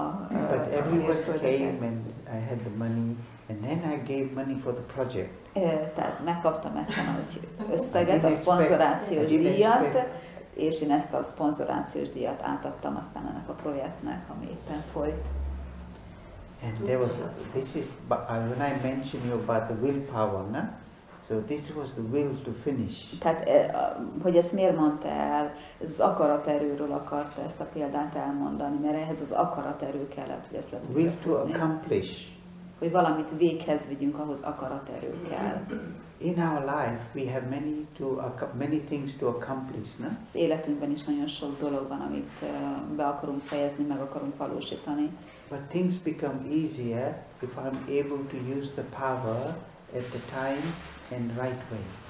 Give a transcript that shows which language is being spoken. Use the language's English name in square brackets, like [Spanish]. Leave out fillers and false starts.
[English] But everyone came and I had the money And then I gave money for the project. [Hungarian] Tehát megkaptam ezt a nagy összeget, a szponzorációs díjat, és én ezt a szponzorációs díjat átadtam aztán ennek a projektnek, ami éppen folyt. [English] And there was this is when I mentioned you about the willpower, no? So this was the will to finish. [Hungarian] Tehát hogy ezt miért mondta el, ez akaraterőről akarta ezt a példát elmondani, mert ehhez az akaraterő kellett, hogy ezt le tudja [English] will to accomplish. [Hungarian] Hogy valamit véghez vigyünk, ahhoz akaraterő kell. [English] In our life we have many things to accomplish, no? [Hungarian] Az életünkben is nagyon sok dolog van, amit be akarunk fejezni, meg akarunk valósítani. [English] But things become easier if I'm able to use the power at the time and right way.